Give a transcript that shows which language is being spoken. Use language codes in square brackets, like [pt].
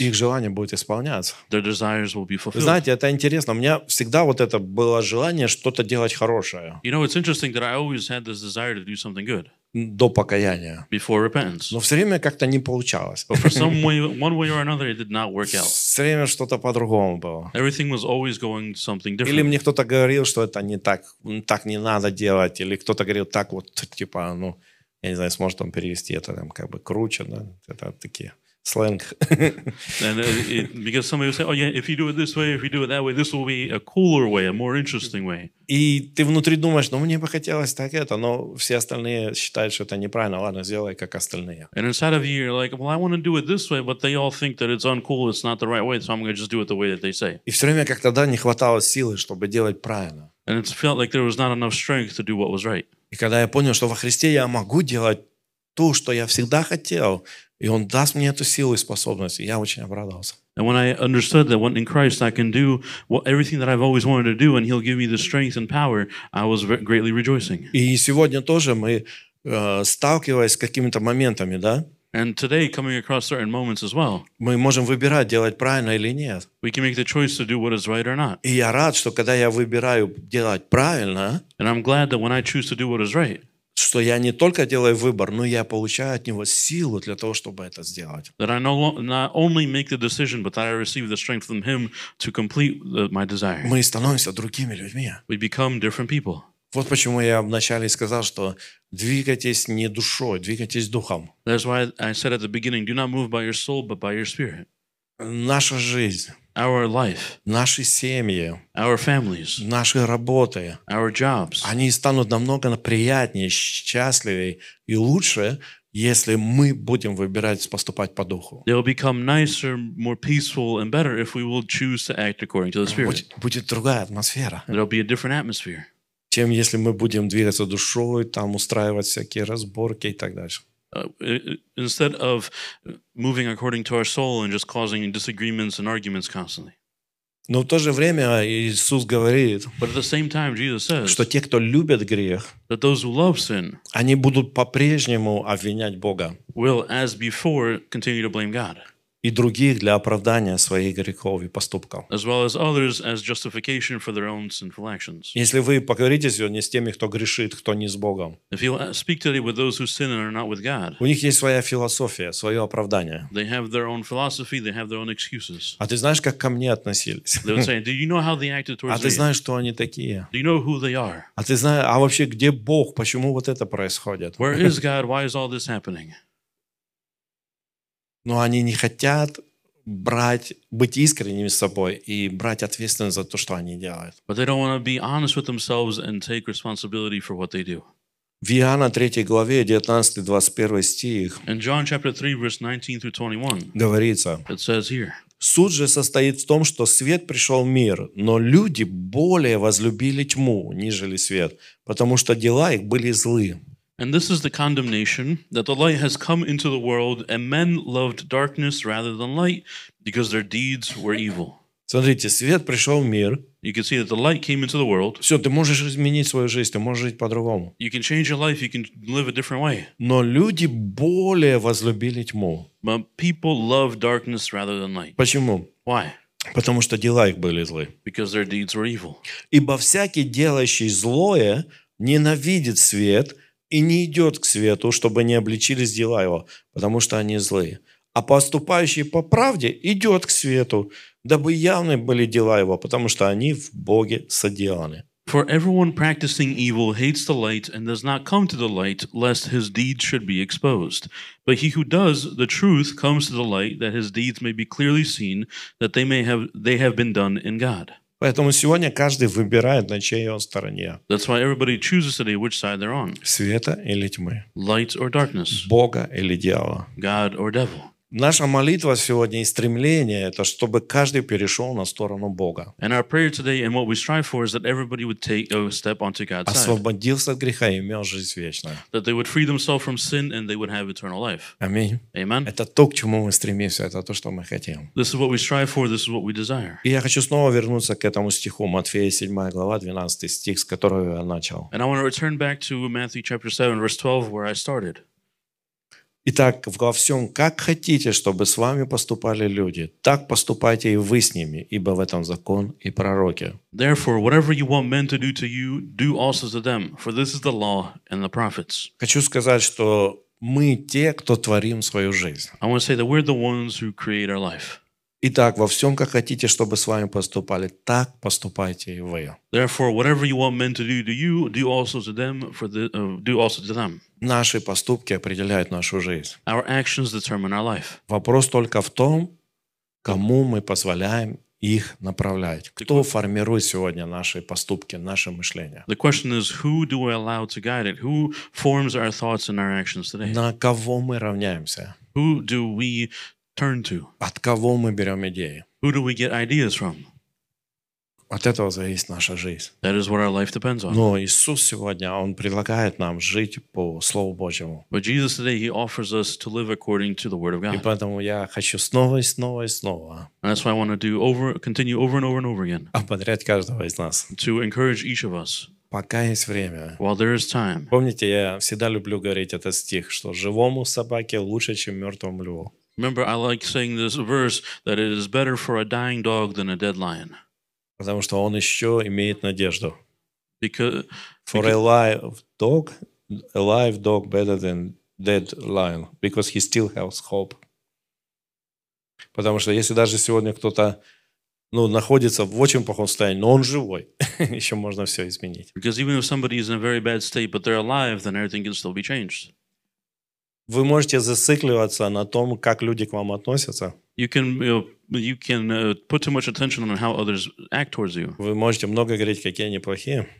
[ru] их желание будет исполняться. [en] Their desires will be fulfilled. [ru] Знаете, это интересно. У меня всегда вот это было желание что-то делать хорошее. [en] You know, it's interesting that I always had this desire to do something good. [ru] До покаяния. [en] Before repentance. [ru] Но все время как-то не получалось. [en] But for some way, one way or another, it did not work out. [ru] Все время что-то по-другому было. [en] Everything was always going something different. [ru] Или мне кто-то говорил, что это не так, так не надо делать. Или кто-то говорил так вот, типа, ну, я не знаю, сможет он перевести это там как бы круче, да? Это такие сленг. [en] Because somebody would say, oh yeah, if you do it this way, if you do it that way, this will be a cooler way, a more interesting way. [ru] И ты внутри думаешь, ну мне бы хотелось так это, но все остальные считают, что это неправильно. Ладно, сделай как остальные. [en] And inside of you, you're like, well, I want to do it this way, but they all think that it's uncool, it's not the right way, so I'm going to just do it the way that they say. [ru] И все время как-то да, не хватало силы, чтобы делать правильно. [en] And it felt like there was not enough strength to do what was right. [ru] И когда я понял, что во Христе я могу делать то, что я всегда хотел, и Он даст мне эту силу и способность, и я очень обрадовался. [en] And when I understood that when in Christ I can do what, everything that I've always wanted to do, and He'll give me the strength and power, I was greatly rejoicing. [ru] И сегодня тоже мы сталкиваясь с какими-то моментами, да? [en] And today, coming across certain moments as well. [ru] Мы можем выбирать, делать правильно или нет. [en] We can make the choice to do what is right or not. [ru] И я рад, что когда я выбираю делать правильно, [en] and I'm glad that when I choose to do what is right, [ru] что я не только делаю выбор, но я получаю от него силу для того, чтобы это сделать. [en] That I not only make the decision, but that I receive the strength from him to complete my desire. [ru] Мы становимся другими людьми. [en] We become different people. [ru] Вот почему я вначале сказал, что двигайтесь не душой, двигайтесь духом. [en] That's why I said at the beginning, do not move by your soul, but by your spirit. [ru] Наша жизнь, [en] our life, [ru] наши семьи, [en] our families, [ru] наши работы, [en] our jobs, [ru] они станут намного приятнее, счастливее и лучше, если мы будем выбирать поступать по духу. [en] They will become nicer, more peaceful, and better if we will choose to act according to the spirit. [ru] Будет другая атмосфера. [en] There will be a different atmosphere. [ru] Чем если мы будем двигаться душой, там устраивать всякие разборки и так дальше. [en] Instead of moving according to our soul and just causing disagreements and arguments constantly. [ru] Но в то же время Иисус говорит, [en] but at the same time, Jesus says, [ru] что те, кто любят грех, [en] that those who love sin, [ru] они будут по-прежнему обвинять Бога. [en] Will, as before, continue to blame God. [ru] И других для оправдания своих грехов и поступков. [en] As well as others as justification for their own sinful actions. [ru] Если вы поговорите сегодня с теми, кто грешит, кто не с Богом. [en] If you speak today with those who sin and are not with God. [ru] У них есть своя философия, свое оправдание. [en] They have their own philosophy, they have their own excuses. [ru] А ты знаешь, как ко мне относились? [en] They would say, do you know how they acted towards me? [ru] А ты знаешь, кто они такие? [en] Do you know who they are? [ru] А ты знаешь, а вообще, где Бог? Почему вот это происходит? [en] Where is God? Why is all this happening? [ru] Но они не хотят брать, быть искренними с собой и брать ответственность за то, что они делают. [en] But they don't want to be honest with themselves and take responsibility for what they do. [ru] В Иоанна 3 главе 19-21 стих. [en] In John chapter 3 verse 19 through 21. [ru] Говорится. [en] It says here. [ru] Суть же состоит в том, что свет пришел в мир, но люди более возлюбили тьму, нежели свет, потому что дела их были злы. [en] And this is the condemnation, that the light has come into the world, and men loved darkness rather than light, because their deeds were evil. [ru] Смотрите, свет пришел в мир. [en] You can see that the light came into the world. [ru] Все, ты можешь изменить свою жизнь, ты можешь жить по-другому. [en] You can change your life, you can live a different way. [ru] Но люди более возлюбили тьму. [en] But people love darkness rather than light. [ru] Почему? [en] Why? [ru] Потому что дела их были злы. [en] Because their deeds were evil. [ru] Ибо всякий, делающий злое, ненавидит свет, и не идет к свету, чтобы не обличились дела его, потому что они злые. А поступающий по правде идет к свету, дабы явны были дела его, потому что они в Боге соделаны. [en] For everyone practicing evil hates the light and does not come to the light, lest his deeds should be exposed. But he who does the truth comes to the light, that his deeds may be clearly seen, that they have been done in God. [ru] Поэтому сегодня каждый выбирает, на чьей он стороне. [en] That's why everybody chooses today which side they're on. [ru] Света или тьмы. [en] Light or darkness. [ru] Бога или дьявола. [en] God or devil. [ru] Наша молитва сегодня и стремление, это чтобы каждый перешел на сторону Бога. [en] And our prayer today and what we strive for is that everybody would take a step onto God's side. [ru] Освободился от греха и имел жизнь вечную. [en] That they would free themselves from sin and they would have eternal life. [ru] Аминь. [en] Amen. [ru] Это то, к чему мы стремимся, это то, что мы хотим. [en] This is what we strive for, this is what we desire. [ru] И я хочу снова вернуться к этому стиху, Матфея 7 глава, 12 стих, с которого я начал. [en] And I want to return back to Matthew chapter 7 verse 12 where I started. [ru] Итак, во всем, как хотите, чтобы с вами поступали люди, так поступайте и вы с ними, ибо в этом закон и пророки. [en] Therefore, whatever you want men to do to you, do also to them, for this is the law and the prophets. [ru] Хочу сказать, что мы те, кто творим свою жизнь. [en] I want to say that we're the ones who create our life. [ru] Итак, во всем, как хотите, чтобы с вами поступали, так поступайте и вы. [en] Therefore, whatever you want men to do to you, do also to them, do also to them. [ru] Наши поступки определяют нашу жизнь. [en] Our actions determine our life. [ru] Вопрос только в том, кому мы позволяем их направлять. Кто формирует сегодня наши поступки, наше мышление? [en] The question is, who do we allow to guide it? Who forms our thoughts and our actions today? [ru] На кого мы равняемся? [en] Who do we turn to? [ru] От кого мы берем идеи? [en] Who do we get ideas from? [ru] От этого зависит наша жизнь. [en] That is what our life depends on. [ru] Но Иисус сегодня, Он предлагает нам жить по Слову Божьему. [en] But Jesus today, He offers us to live according to the Word of God. [ru] И поэтому я хочу снова и снова и снова. [en] And that's why I want to continue over and over and over again. [ru] Ободрять каждого из нас. [en] To encourage each of us. [ru] пока есть время. [en] While there is time. [ru] Помните, я всегда люблю говорить этот стих, что живому собаке лучше, чем мертвому льву. [en] Remember, I like saying this verse that it is better for a dying dog than a dead lion. [ru] Потому что он еще имеет надежду. [en] Because for a live dog better than dead lion, because he still has hope. [ru] Потому что если даже сегодня кто-то находится в очень плохом состоянии, но он живой, еще можно все изменить. [en] Because even if somebody is in a very bad state, but they're alive, then everything can still be changed. [ru] Вы можете зацикливаться на том, как люди к вам относятся. [en] You can put too much attention on how others act towards you. [ru] Вы можете много говорить, какие они плохие.